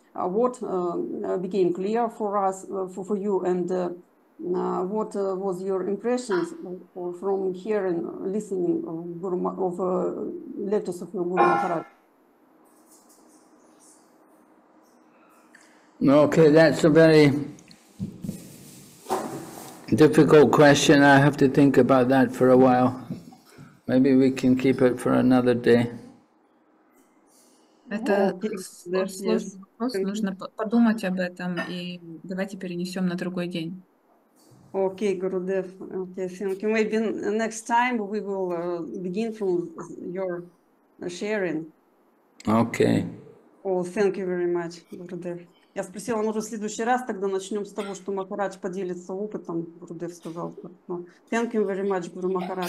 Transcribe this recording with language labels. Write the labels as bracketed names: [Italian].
[English] What became clear for us, for you, and what was your impressions from hearing, listening of lectures of your Guru Maharaj? Okay, that's a very difficult question. I have to think about that for a while. Maybe we can keep it for another day. [Russian] Это сложный вопрос, нужно подумать об этом, и давайте перенесем на другой день. [English] Okay, Gurudev. Okay, thank you. Maybe next time we will begin from your sharing. Okay. Oh, thank you very much, Gurudev. [Russian] Я спросила, может, в следующий раз тогда начнем с того, что Махарадж поделится опытом, Gurudev сказал. [English] Thank you very much, Guru Maharaj.